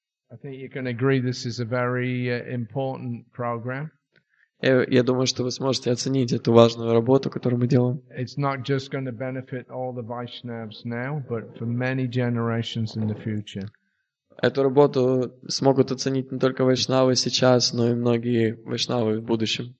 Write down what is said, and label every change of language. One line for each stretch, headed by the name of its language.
English: I think you can agree this is a very important program.
Russian: Я думаю, что вы сможете оценить эту важную работу, которую мы делаем.
English: It's not just going to benefit all the Vaishnavas now, but for many generations in the future.
Russian: Эту работу смогут оценить не только вайшнавы сейчас, но и многие вайшнавы в будущем.